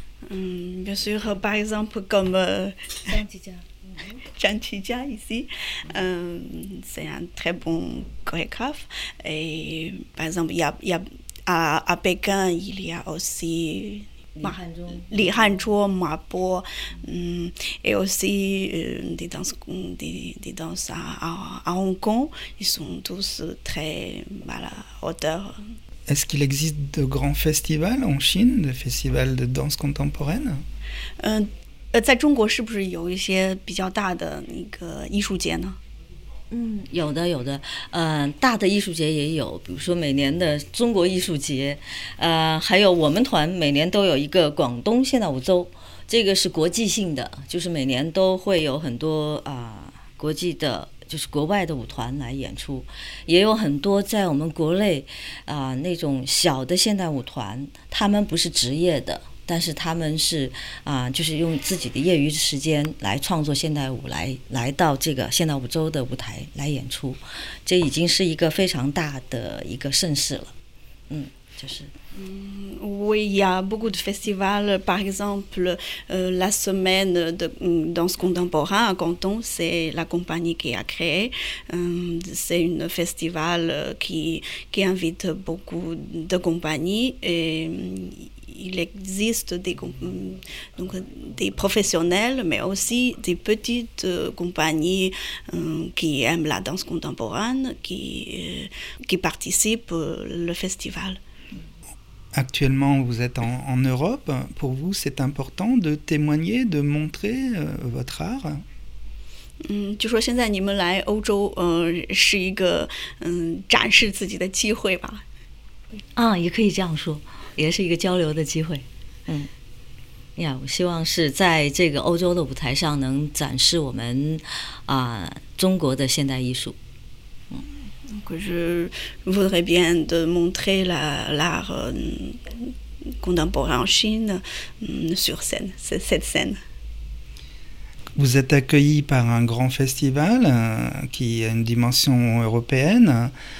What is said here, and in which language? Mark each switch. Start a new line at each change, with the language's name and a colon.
Chinese: 嗯，比如说 ，
English: by example，
Chinese: 像张
French: 琪佳 ，ici， c'est un très bon chorégraphe. Et par exemple, il y a à Pékin, il y a aussi
Chinese: 李汉中、
French: 李汉卓、马波，et aussi des danses, des danses à Hong Kong, ils sont tous très à la hauteur. Est-ce qu'il existe de grands festivals en Chine, des festivals de danse contemporaine ?
Chinese: 在中国是不是有一些比较大的那个艺术节呢？有的，大的艺术节也有，比如说每年的中国艺术节，还有我们团每年都有一个广东现代舞周，这个是国际性的，就是每年都会有很多国际的。就是国外的舞团来演出，也有很多在我们国内那种小的现代舞团，他们不是职业的，但是他们是就是用自己的业余时间来创作现代舞，来到这个现代舞周的舞台来演出，这已经是一个非常大的一个盛事了。
French: Oui, il y a beaucoup de festivals. Par exemple, la semaine de danse contemporaine à Canton, c'est la compagnie qui a créé. C'est un festival qui invite beaucoup de compagnies. Et il existe des professionnels, mais aussi des petites compagnies qui aiment la danse contemporaine, qui participent au festival. Actuellement, vous êtes en Europe. Pour vous, c'est important de témoigner, de montrer votre art.
Chinese: 就说现在你们来欧洲，是一个展示自己的机会吧？也可以这样说，也是一个交流的机会。我希望是在这个欧洲的舞台上能展示我们中国的现代艺术。
French: Que je voudrais bien de montrer l'art contemporain en Chine sur scène, cette scène. Vous êtes accueilli par un grand festival qui a une dimension européenne.